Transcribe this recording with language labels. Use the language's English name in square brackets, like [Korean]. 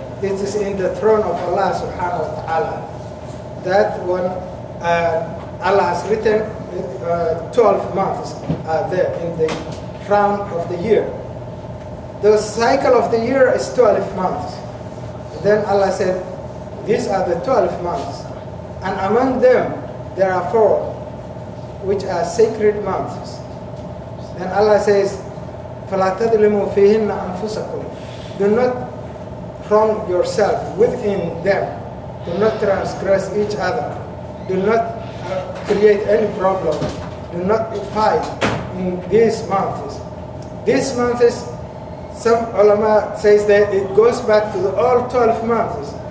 [English] It is in the throne of Allah subhanahu wa ta'ala. That one, Allah has written 12 months there in the round of the year. The cycle of the year is 12 months. Then Allah said, these are the 12 months. And among them, there are four, which are sacred months. Then Allah says, [Arabic] فَلَا تَظْلِمُوا فِيهِنَّ أَنفُسَكُمْ. [English] Do not wrong yourself within them. Do not transgress each other. Do not create any problem. Do not fight in these months. These months, some ulama says that it goes back to all 12 months.